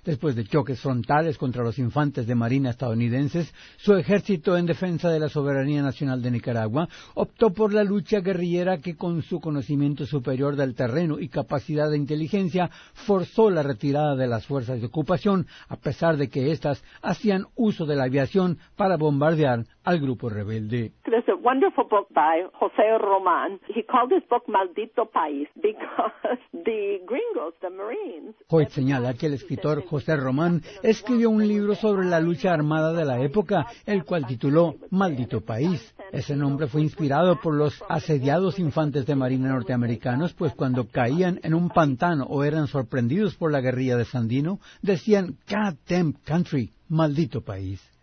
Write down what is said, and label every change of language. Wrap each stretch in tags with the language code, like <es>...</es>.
<es>Después de choques frontales contra los infantes de marina estadounidenses, su ejército en defensa de la soberanía nacional de Nicaragua optó por la lucha guerrillera, que con su conocimiento superior del terreno y capacidad de inteligencia forzó la retirada de las fuerzas de ocupación, a pesar de que éstas hacían uso de la aviación para bombardear al grupo rebelde.</es> <en>There's a wonderful book by José Román. He called his book Maldito País because the gringos, the marines...</en> <es>Hoyt señala que el escritor José Román escribió un libro sobre la lucha armada de la época, el cual tituló Maldito País. Ese nombre fue inspirado por los asediados infantes de marina norteamericanos, pues cuando caían en un pantano o eran sorprendidos por la guerrilla de Sandino, decían</es> <en>God damn country,</en> <es>maldito país.</es>